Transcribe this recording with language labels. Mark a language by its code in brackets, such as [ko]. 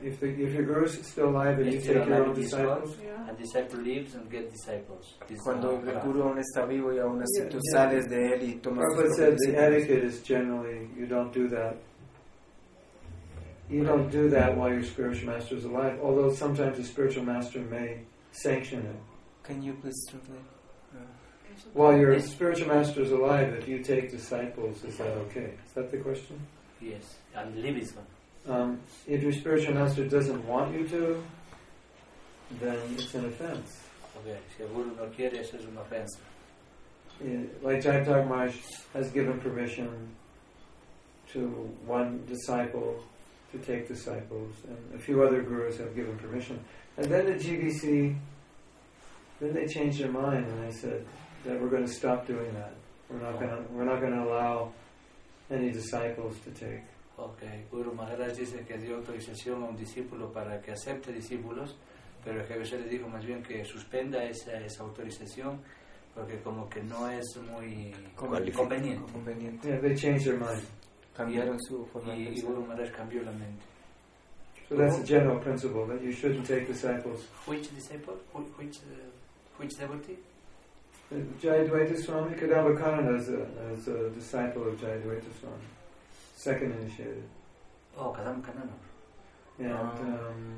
[en] If your guru is still alive and you take your own disciples, and disciple leaves and get disciples. [es] Cuando el guru aún está vivo y aún así tú sales de él y tomas. [en] Prabhupada said the etiquette is generally you don't do that. You don't do that while your spiritual master is alive. Although sometimes the spiritual master may sanction it. Can you please translate? While your spiritual master is alive, if you take disciples, is that okay? Is that the question? Yes, and leave is one. If your spiritual master doesn't want you to, then it's an offense. [es] Okay, si el guru no quiere, eso es una ofensa. [en] Like Jayantar Maharaj has given permission to one disciple to take disciples, and a few other gurus have given permission. And then the GBC, then they changed their mind, and they said that we're going to stop doing that. We're not going to allow any disciples to take. [es] Okay, Guru Maharaj dice que dio autorización a un discípulo para que acepte discípulos, pero el GBC le dijo más bien que suspenda esa autorización porque como que no es muy conveniente. [en] Yeah, they changed their mind. [es] Cambiaron su forma de pensar. Y Guru Maharaj cambió la mente. [en] So that's a general principle, that you shouldn't take disciples. Which disciple? Which devotee? Jayadvaita Swami. Kadamba Kananda is a disciple of Jayadvaita Swami. Second initiated. Oh, Kadamba Kananda.